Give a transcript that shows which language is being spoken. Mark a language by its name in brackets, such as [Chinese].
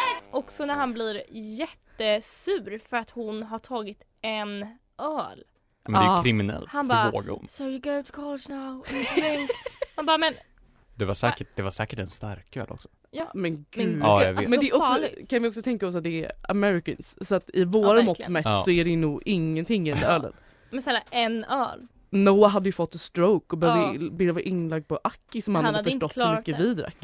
[Swedish] Också när han blir jättesur för att hon har tagit en öl. Men det är ju kriminellt. Han bara, [English] so you go to college now and drink. [Swedish] Han bara, men... Det var säkert en stark öl också. Ja, men gud. Ja, alltså, men det är också, kan vi också tänka oss att det är Americans. Så att i våra mått mätt så är det nog ingenting i den ölen. Men snälla, en öl. Noah hade ju fått en stroke och började vara inlagd på Aki, som han hade förstått hur mycket vi drack.